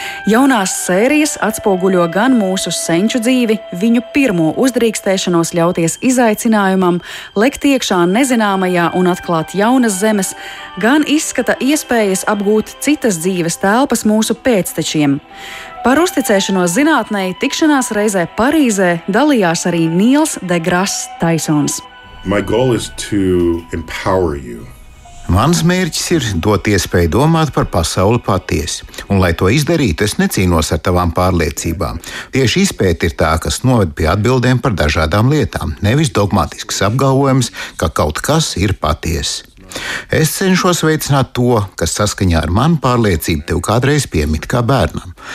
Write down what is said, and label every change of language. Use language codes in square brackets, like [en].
[lv] Jaunās sērijas atspoguļo gan mūsu senču dzīvi, viņu pirmo uzdrīkstēšanos ļauties izaicinājumam, lekt iekšā nezinām un atklāt jaunas zemes, gan izskata iespējas apgūt citas dzīves telpas mūsu pēctečiem. Par uzticēšanos zinātnei tikšanās reizē Parīzē dalījās arī Nīls deGrasse Tysons. [en] My goal is to empower you. [lv] Mans mērķis ir dot iespēju domāt par pasauli paties. Un, lai to izdarītu, es necīnos ar tavām pārliecībām. Tieši izpēte ir tā, kas noved pie atbildēm par dažādām lietām, nevis dogmatisks apgalvojums, ka kaut kas ir paties. Es cenšos veicināt to, kas saskaņā ar manu pārliecību tev kādreiz piemit kā bērnam.